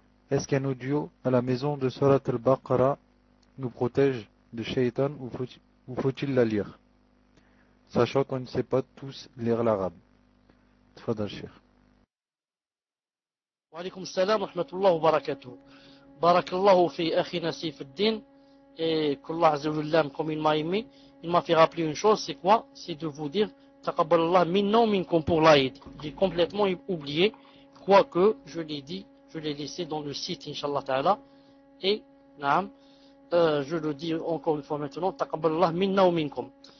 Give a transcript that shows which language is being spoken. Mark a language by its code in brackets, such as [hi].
[fr] Est-ce qu'un audio à la maison de Surat al-Baqara nous protège de Shaitan ou faut-il la lire? Sachant qu'on ne sait pas tous lire l'arabe. [ar] تفضل الشيخ. وعليكم السلام ورحمة الله وبركاته. بارك الله في أخينا سيف الدين. [fr] Et qu'Allah Azzawajal l'aime comme il m'a aimé, il m'a fait rappeler une chose, c'est quoi? C'est de vous dire, [ar] Taqabbalallah minna minkum [fr] pour l'aïd. J'ai complètement oublié, quoique je l'ai dit, je l'ai laissé dans le site, [ar] Inch'Allah Ta'ala. [fr] Et, je le dis encore une fois maintenant, [ar] Taqabbalallah minna minkum.